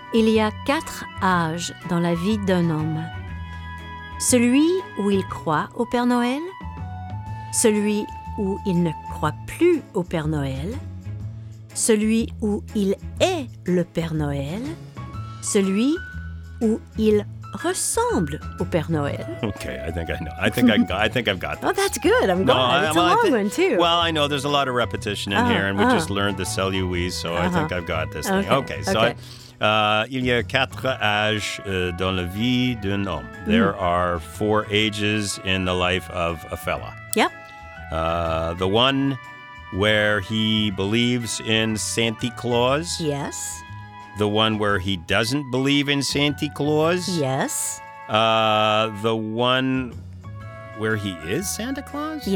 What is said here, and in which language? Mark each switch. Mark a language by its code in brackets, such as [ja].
[fr] Il y a quatre âges dans la vie d'un homme. Celui où il croit au Père Noël. Celui où il ne croit plus au Père Noël. Celui où il est le Père Noël, celui où il ressemble au Père Noël. [en] Okay, I think I know. I think I've got this. Oh, that's good. I'm glad. It's a long one, too. Well, I know there's a lot of repetition in here, and we just learned the celluise, so I think I've got this thing. Okay. [fr] Il y a quatre âges dans la vie d'un homme. [en] There are four ages in the life of a fella. Yep. The one where he believes in Santa Claus. Yes. The one where he doesn't believe in Santa Claus. Yes. The one where he is Santa Claus.